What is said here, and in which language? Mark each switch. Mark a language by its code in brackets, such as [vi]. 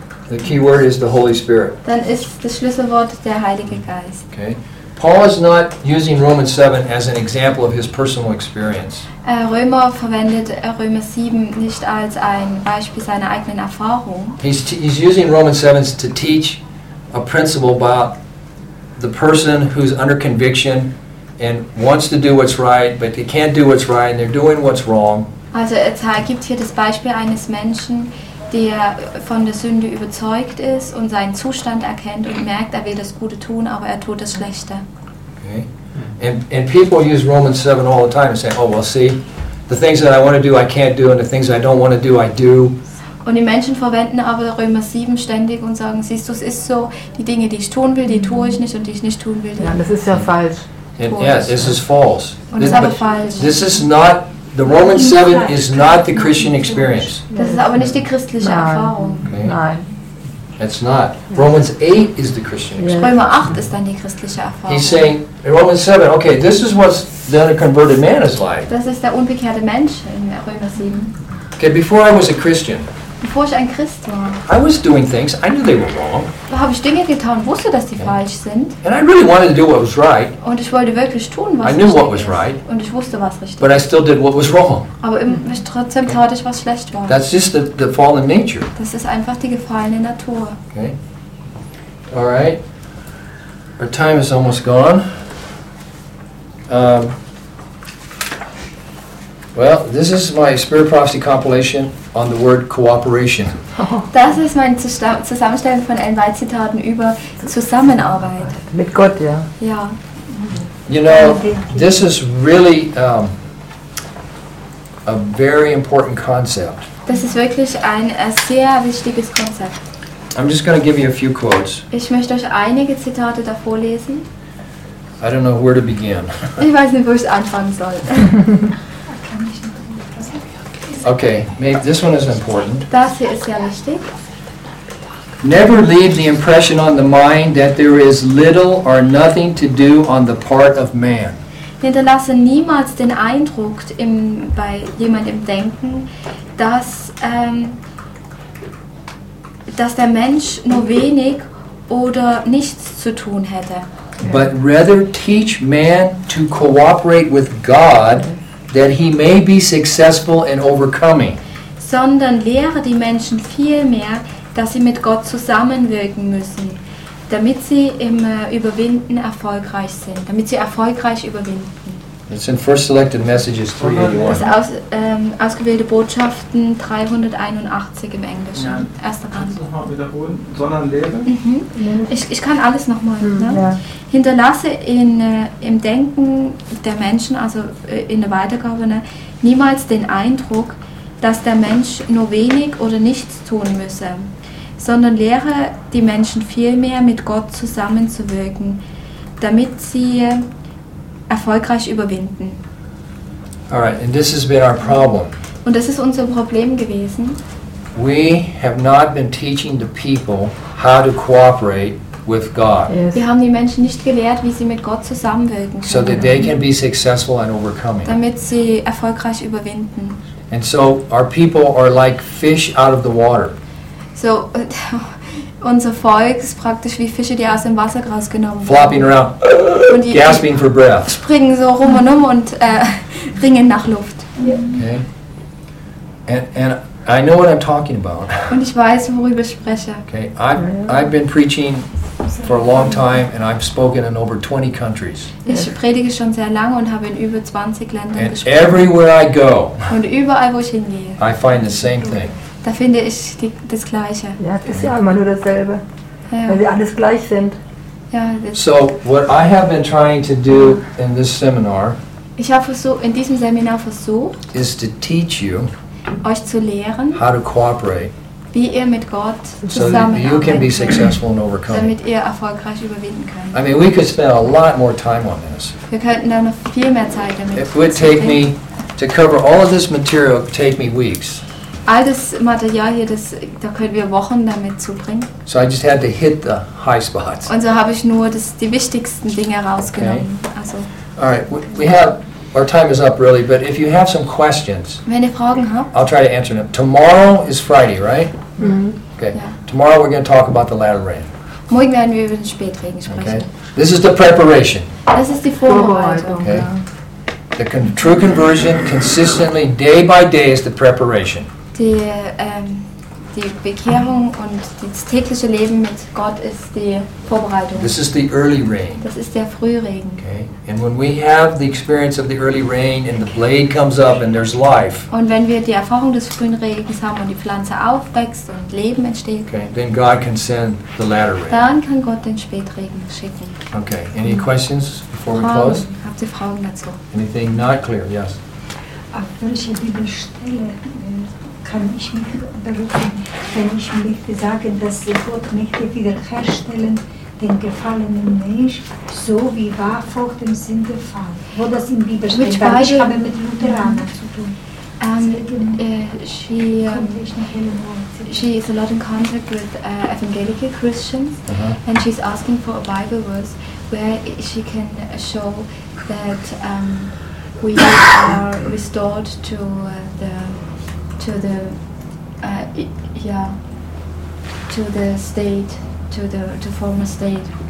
[en] the key word is the Holy Spirit. [de] Dann ist das Schlüsselwort der Heilige Geist. [en] Okay. Paul is not using Romans 7 as an example of his personal experience. [de] Römer verwendet Römer 7 nicht als ein Beispiel seiner eigenen Erfahrung. [en] He's using Romans 7 to teach a principle about the person who's under conviction and wants to do what's right, but they can't do what's right, and they're doing what's wrong. [de] Also er gibt hier das Beispiel eines Menschen, der von der Sünde überzeugt ist und seinen Zustand erkennt und merkt, er will das Gute tun, aber er tut das Schlechte. [en] Okay. And people use Romans 7 all the time and say, oh, well, see, the things that I want to do, I can't do, and the things I don't want to do, I do. [de] Und die Menschen verwenden aber Römer 7 ständig und sagen, siehst du, es ist so, die Dinge, die ich tun will, die tue ich nicht, und die ich nicht tun will, die ja, das ist ja falsch. [en] And, yeah, this is false. [de] Und das ist aber falsch. [en] This is not... The Romans 7 is not the Christian experience. [de] Das ist aber nicht die christliche Nein. Erfahrung. Okay. Nein. [en] It's not. Yes. Romans 8 is the Christian experience. [de] Römer 8 ist dann die christliche Erfahrung. [en] He's saying, in Romans 7, okay, this is what the unconverted man is like. [de] Das ist der unbekehrte Mensch in Römer 7. [en] Okay, before I was a Christian. [de] Bevor ich ein Christ war. [en] I was doing things, I knew they were wrong. [de] Da habe ich Dinge getan, wusste, dass die falsch sind. [en] And I really wanted to do what was right. [de] Und ich wollte wirklich tun, was [en] I knew what was right. [de] Und ich wusste, was richtig. [en] But I still did what was wrong. [de] Aber trotzdem tat ich, was schlecht war. [en] That's just the fallen nature. [de] Das ist einfach die gefallene Natur. [en] Okay. All right. Our time is almost gone. Well, this is my Spirit Prophecy compilation on the word cooperation. [de] Das ist mein Zusammenstellen von NY Zitaten über Zusammenarbeit. Mit Gott, ja. Ja. [en] You know, this is really a very important concept. [de] Das ist wirklich ein sehr wichtiges Konzept. [en] I'm just going to give you a few quotes. [de] Ich möchte euch einige Zitate davor lesen. [en] I don't know where to begin. [de] Ich weiß nicht, wo ich anfangen soll. [en] Okay, maybe this one is important. [de] Das hier ist ja wichtig. [en] Never leave the impression on the mind that there is little or nothing to do on the part of man. [de] Hinterlasse niemals den Eindruck bei jemandem Denken, dass der Mensch nur wenig oder nichts zu tun hätte. [en] But rather teach man to cooperate with God that he may be successful in overcoming. [de] Sondern lehre die Menschen vielmehr, dass sie mit Gott zusammenwirken müssen, damit sie im Überwinden erfolgreich sind, damit sie erfolgreich überwinden. [en] It's in First Selected Messages 381. [de] Das ist ausgewählte Botschaften 381 im Englischen. Ja. Erster Band. Kannst du nochmal wiederholen? Sondern lehre? Mhm. Ich kann alles nochmal. Ne? Ja. Hinterlasse im Denken der Menschen, also in der Weitergabe, ne, niemals den Eindruck, dass der Mensch nur wenig oder nichts tun müsse, sondern lehre die Menschen vielmehr, mit Gott zusammenzuwirken, damit sie erfolgreich überwinden. [en] All right, and this has been our problem. [de] Und das ist unser Problem gewesen. [en] We have not been teaching the people how to cooperate with God. Yes. [de] Wir haben die Menschen nicht gelehrt, wie sie mit Gott zusammenwirken können. [en] So that they can be successful in overcoming. [de] Damit sie erfolgreich überwinden. [en] And so our people are like fish out of the water. [de] So unser Volk ist praktisch wie Fische, die aus dem Wasser rausgenommen werden. [en] Flopping around, [de] und die [en] gasping for breath. [de] Springen so rum und um und ringen nach Luft. [en] Okay. And I know what I'm talking about. [de] Und ich weiß, worüber ich spreche. [en] Okay. I've been preaching for a long time and I've spoken in over 20 countries. [de] Ich predige schon sehr lange und habe in über 20 Ländern [en] and [de] gesprochen. [en] Everywhere I go, [de] und überall, wo ich hingehe, [en] I find the same thing. [de] Da finde ich das Gleiche. Ja, es ist ja immer nur dasselbe, ja, weil wir alles gleich sind. Ja, [en] so, what I have been trying to do in this seminar, [de] ich habe in diesem Seminar versucht, [en] is to teach you, [de] euch zu lehren, [en] how to cooperate, [de] wie ihr mit Gott zusammenarbeitet, so damit ihr erfolgreich überwinden könnt. [en] I mean, we could spend a lot more time on this. [de] Wir könnten da noch viel mehr Zeit damit verbringen. [en] It would take me to cover all of this material. It would take me weeks. [de] All das Material hier, das, da können wir Wochen damit zubringen. [en] So I just had to hit the high spots. [de] Und so habe ich nur das, die wichtigsten Dinge rausgenommen. Okay. Also. [en] All right, we have. Our time is up, really, but if you have some questions, [de] wenn ihr Fragen habt, [en] I'll try to answer them. Tomorrow is Friday, right? Mm-hmm. Okay. Yeah. Tomorrow we're going to talk about the latter rain. [de] Morgen werden wir über den Spätregen sprechen. [en] Okay. This is the preparation. [de] Das ist die Vorbereitung. [en] Okay. The true conversion consistently, day by day, is the preparation. [de] Die Bekehrung und das tägliche Leben mit Gott ist die Vorbereitung. [en] This is the early rain. [de] Das ist der Frühregen. [en] Okay. And when we have the experience of the early rain and the blade comes up and there's life. [de] Und wenn wir die Erfahrung des frühen Regens haben und die Pflanze aufwächst und Leben entsteht. [en] Okay. Then God can send the latter rain. [de] Dann kann Gott den Spätregen schicken. [en] Okay. Any questions before [de] Fragen. [en] We close? [de] Habt ihr Fragen dazu? [en] Anything not clear? Yes. [de] Auf welche Bibelstelle kann ich mich berufen, wenn ich möchte sagen, dass Gott möchte wiederherstellen den gefallenen Mensch, so wie war vor dem Sündenfall? Wo das in Bibel steht? [en] Which Bible? [de] Ich habe mit Lutheraner zu tun. [en] She is a lot in contact with evangelical Christians, uh-huh. And she's asking for a Bible verse where she can show that we are restored to the state, to former state.